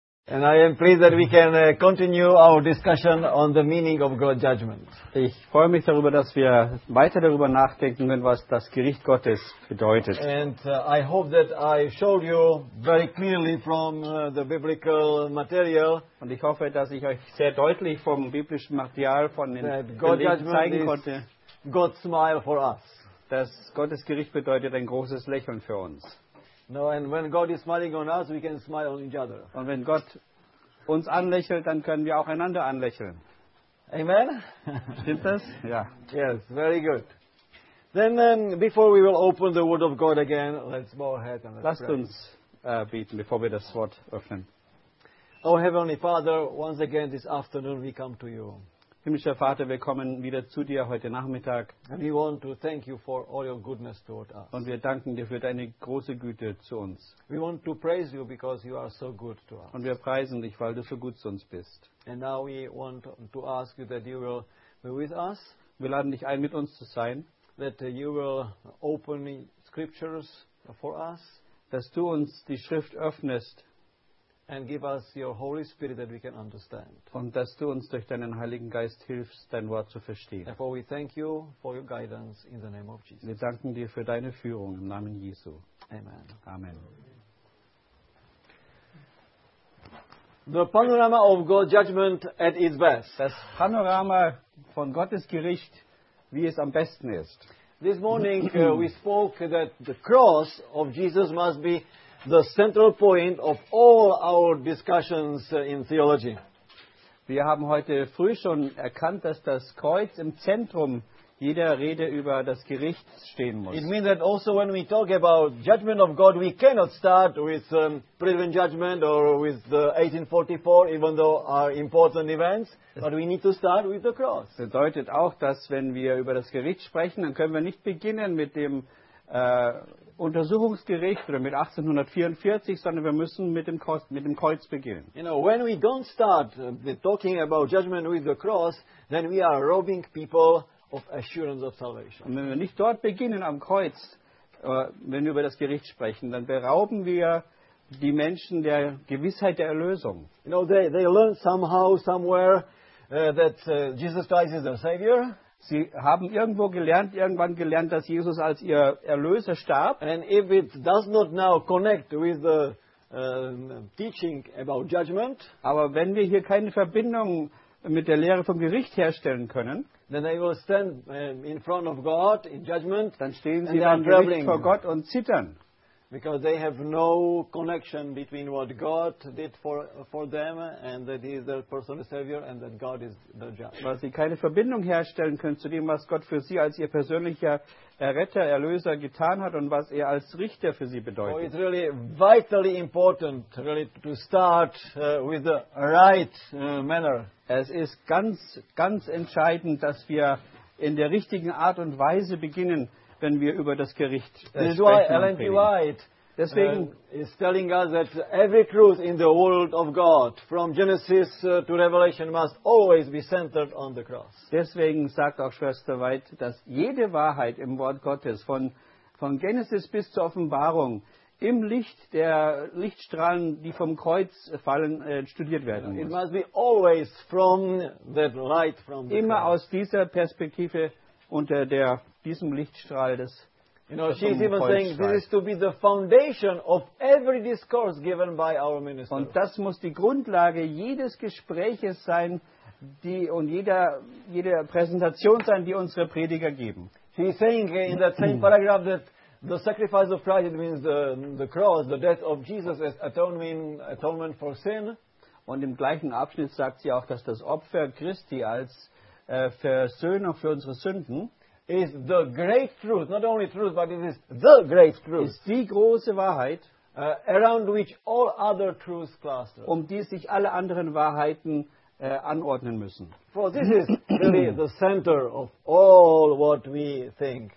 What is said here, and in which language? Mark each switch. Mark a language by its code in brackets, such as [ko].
[en] And I am pleased that we can continue our discussion on the meaning of God's judgment. [de] Ich freue mich darüber, dass wir weiter darüber nachdenken können, was das Gericht Gottes bedeutet. [en] And I hope that I showed you very clearly from the biblical material. [de] Und ich hoffe, dass ich euch sehr deutlich vom biblischen Material von den Gerichten zeigen konnte. [en] God's smile for us. [de] Das Gottes Gericht bedeutet ein großes Lächeln für uns. [en] No, and when God is smiling on us, we can smile on each other. [de] Und wenn Gott uns anlächelt, dann können wir auch einander anlächeln. [en] Amen. [de] Stimmt das? Ja. [en] Yes, very good. Then before we will open the Word of God again, let's bow our heads and let's pray. [de] Lasst uns beten, bevor wir das Wort öffnen. [en] Oh Heavenly Father, once again this afternoon we come to you. [de] Himmlischer Vater, wir kommen wieder zu dir heute Nachmittag. [en] And we want to thank you for all your goodness toward us. [de] Und wir danken dir für deine große Güte zu uns. [en] We want to praise you because you are so good to us. [de] Und wir preisen dich, weil du so gut zu uns bist. [en] And now we want to ask you that you will be with us. [de] Wir laden dich ein, mit uns zu sein. [en] That you will open scriptures for us. [de] Dass du uns die Schrift öffnest. [en] And give us your Holy Spirit that we can understand. [de] Und dass du uns durch deinen Heiligen Geist hilfst, dein Wort zu verstehen. [en] Therefore we thank you for your guidance in the name of Jesus. [de] Wir danken dir für deine Führung im Namen Jesu. [en] Amen. [de] Amen. [en] The panorama of God's judgment at its best. [de] Das Panorama von Gottes Gericht, wie es am besten ist. [en] This morning we spoke that the cross of Jesus must be the central point of all our discussions in theology. [de] Wir haben heute früh schon erkannt, dass das Kreuz im Zentrum jeder Rede über das Gericht stehen muss. [en] It means that also when we talk about judgment of God, we cannot start with prison judgment or with the 1844, even though are important events, but we need to start with the cross. [de] Das bedeutet auch, dass wenn wir über das Gericht sprechen, dann können wir nicht beginnen mit dem Untersuchungsgericht oder mit 1844, sondern wir müssen mit dem Kreuz beginnen. [en] You know, when we don't start talking about judgment with the cross, then we are robbing people of assurance of salvation. [de] Und wenn wir nicht dort beginnen am Kreuz, wenn wir über das Gericht sprechen, dann berauben wir die Menschen der Gewissheit der Erlösung. [en] You know, they learn somehow, somewhere that Jesus Christ is their Savior. [de] Sie haben irgendwann gelernt, dass Jesus als ihr Erlöser starb. [en] And if it does not now connect with the teaching about judgment, [de] aber wenn wir hier keine Verbindung mit der Lehre vom Gericht herstellen können, [en] then they will stand in front of God in judgment, [de] dann stehen sie dann Gericht vor Gott und zittern. [en] Because they have no connection between what God did for them and that he is their personal savior and that God is their judge. [de] Weil sie keine Verbindung herstellen können zu dem, was Gott für sie als ihr persönlicher Erretter, Erlöser getan hat und was er als Richter für sie bedeutet. [en] So it's really vitally important really to start with the right manner. [de] Es ist ganz, ganz entscheidend, dass wir in der richtigen Art und Weise beginnen, wenn wir über das Gericht sprechen. [en] This is why Ellen T. White [de] deswegen [en] is telling us that every truth in the world of God from Genesis to Revelation must always be centered on the cross. [de] Deswegen sagt auch Schwester White, dass jede Wahrheit im Wort Gottes von Genesis bis zur Offenbarung im Licht der Lichtstrahlen, die vom Kreuz fallen, studiert werden muss. [en] It must be always from that light from the [de] immer [en] cross. [de] Aus dieser Perspektive unter der diesem Lichtstrahl des [en] You know, she's even saying this is to be the foundation of every discourse given by our minister. [de] Und das muss die Grundlage jedes Gespräches sein, die und jede Präsentation sein, die unsere Prediger geben. [en] She's saying in that same paragraph that the sacrifice of Christ means the cross, the death of Jesus as atonement for sin. [de] Und im gleichen Abschnitt sagt sie auch, dass das Opfer Christi als Versöhnung für unsere Sünden [en] is the great truth, not only truth, but it is the great truth. [de] Ist die große Wahrheit, [en] around which all other truths cluster. [de] Um die sich alle anderen Wahrheiten anordnen müssen. [en] For this is really the center of all what we think.